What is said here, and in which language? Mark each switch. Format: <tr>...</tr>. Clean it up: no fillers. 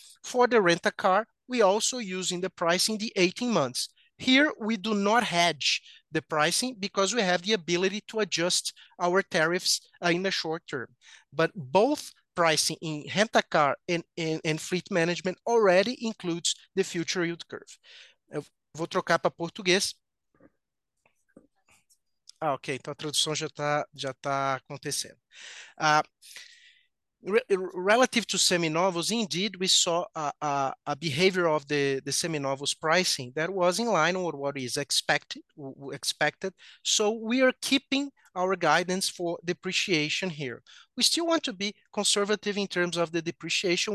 <en>For the rental car, we also use in the pricing the 18 months. Here, we do not hedge the pricing because we have the ability to adjust our tariffs in the short term. But both pricing in rental car and fleet management already includes the future yield curve.</en> <pt>Eu vou trocar para português. Ah, ok. Então, a tradução já tá acontecendo.</pt> <en>Relative to seminovos, indeed, we saw a behavior of the seminovos pricing that was in line with what is expected. So we are keeping our guidance for depreciation here. We still want to be conservative in terms of the depreciation.</en>